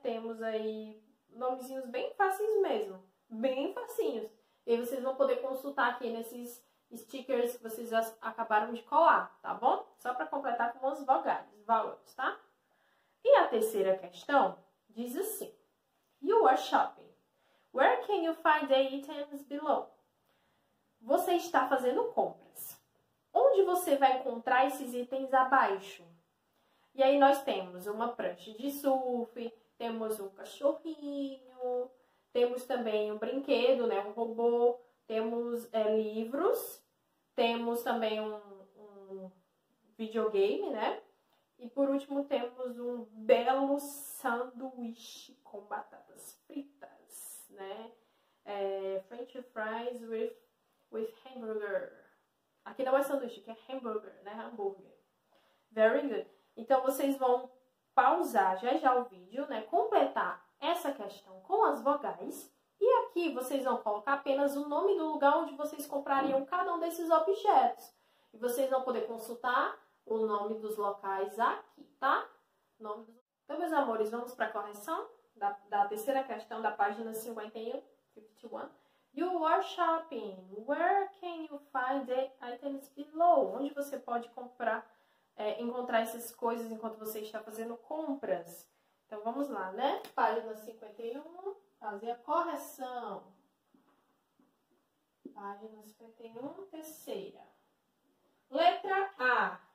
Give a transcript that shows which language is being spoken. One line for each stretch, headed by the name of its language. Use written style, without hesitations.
Portuguese: Temos aí nomezinhos bem facinhos mesmo, bem facinhos. E vocês vão poder consultar aqui nesses stickers que vocês acabaram de colar, tá bom? Só para completar com as vogais, vowels, tá? E a terceira questão diz assim:
English: You are shopping. Where can you find the items below?
Portuguese: Você está fazendo compras. Onde você vai encontrar esses itens abaixo? E aí nós temos uma prancha de surf, temos um cachorrinho, temos também um brinquedo, né, um robô, temos livros, temos também um videogame, né? E por último temos um belo sanduíche com batatas fritas, né?
English: French fries with hamburger.
Portuguese: Aqui não é sanduíche, aqui é hamburger, né? Hambúrguer.
English: Very good.
Portuguese: Então vocês vão pausar já já o vídeo, né? Completar essa questão com as vogais. E aqui vocês vão colocar apenas o nome do lugar onde vocês comprariam cada um desses objetos. E vocês vão poder consultar o nome dos locais aqui, tá? Nome dos... Então, meus amores, vamos para a correção da terceira questão da página 51.
English: 51. You are shopping. Where can you find the items below?
Portuguese: Onde você pode comprar, encontrar essas coisas enquanto você está fazendo compras? Então vamos lá, né? Página 51, fazer a correção. Página 51, terceira. Letra A.